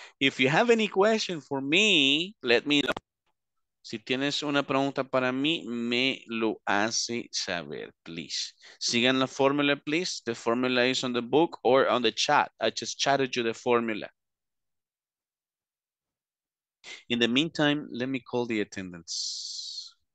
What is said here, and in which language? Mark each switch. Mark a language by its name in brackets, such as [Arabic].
[English] If you have any question for me, let me know. [Spanish] Si tienes una pregunta para mí, me lo hace saber, please. Sigan la fórmula, please. [English] The formula is on the book or on the chat. I just chatted you the formula. In the meantime, let me call the attendants.